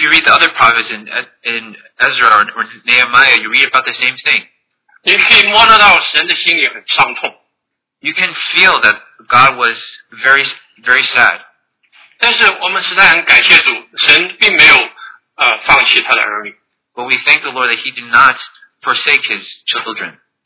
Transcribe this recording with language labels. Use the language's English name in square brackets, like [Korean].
[English] you read the other prophets in Ezra or Nehemiah, you read about the same thing. [Chinese] 你可以摸得到神的心里很伤痛。You [English] can feel that God was very, very sad. [Chinese] 但是我们实在很感谢主，神并没有放弃他的儿女。 [English] But we thank the Lord that he did not forsake his children.